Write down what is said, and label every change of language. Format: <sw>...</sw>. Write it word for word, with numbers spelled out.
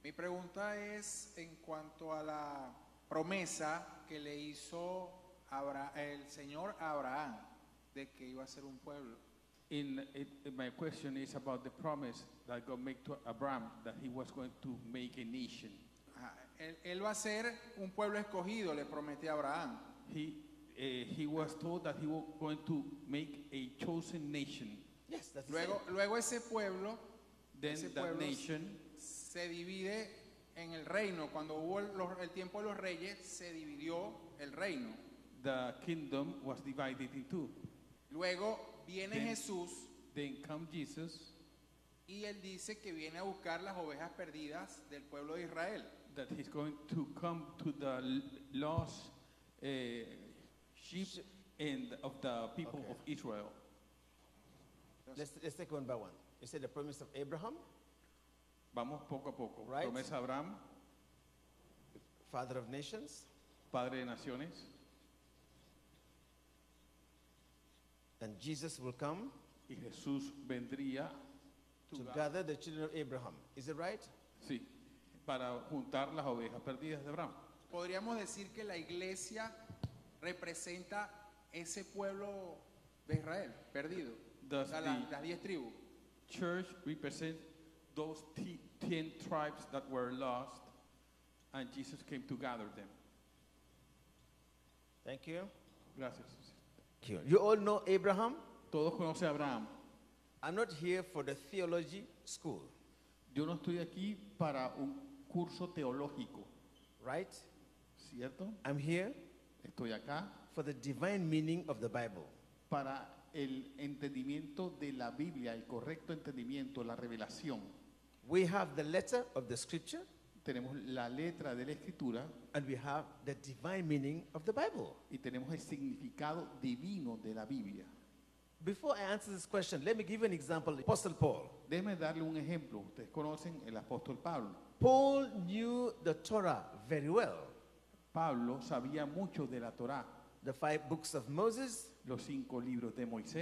<es>pregunta es en cuanto a la promesa que le hizo Abra- el Señor a Abraham de que iba a ser un pueblo.</es> <en>In, it, it- my question is about the promise that God made to Abraham that he was going to make a nation.</en> <es>Ajá, Él, él va a ser un pueblo escogido, le prometió a Abraham.</es> <en>He uh, he was told that he was going to make a chosen nation. Yes, that's</en> <es>Luego, luego ese pueblo,</es> <en>Then</en> <es>ese</es> <en>that</en> <es>pueblo</es> <en>nation</en> <es>se divide en el reino. Cuando hubo el, los- el tiempo de los reyes, se dividió el reino.</es> <en>the kingdom was divided in two.</en> <es>Luego viene Bien. Jesús</es> <en>Then come Jesus,</en> <es>y él dice que viene a buscar las ovejas perdidas del pueblo de Israel.</es> <en>that he's going to come to the l- lost uh, sheep and of the people Okay. of Israel. it. Let's, let's take one by one. You said the promise of Abraham,</en> <es>Vamos poco a poco.</es> <en>Right.</en> <es>Promesa a Abraham,</es> <en>father of nations,</en> <es>padre de naciones,</es> <en>and Jesus will come</en> <es>y Jesús vendría</es> <en>to gather the children of Abraham. Is it right?</en> <es>sí, para juntar las ovejas perdidas de Abraham. Podríamos decir que la iglesia representa ese pueblo de Israel perdido,</es> <en>Does</en> <es>o sea, la-</es> <en>the-</en> <es>las diez tribus.</es> <en>Church represents those t- ten tribes that were lost, and Jesus came to gather them. Thank you.</en> <es>Gracias.</es> <en>Thank you. You all know Abraham.</en> <es>Todos conocen a Abraham.</es> <en>I'm not here for the theology school,</en> <es>Yo no estoy aquí para un curso teológico,</es> <en>right?</en> <es>¿cierto?</es> <en>I'm here</en> <es>Estoy acá</es> <en>for the divine meaning of the Bible.</en> <es>para el entendimiento de la Biblia, el correcto entendimiento, la revelación.</es> <en>We have the letter of the scripture</en> <es>Tenemos la letra de la escritura</es> <en>and we have the divine meaning of the Bible.</en> <es>y tenemos el significado divino de la Biblia.</es> <en>Before I answer this question, let me give you an example. Apostle Paul.</en> <es>Déjenme darle un ejemplo. Ustedes conocen el apóstol Pablo.</es> <en>Paul knew the Torah very well,</en> <es>Pablo sabía mucho de la Torá,</es> <en>the five books of Moses,</en> <es>los cinco libros de Moisés,</es>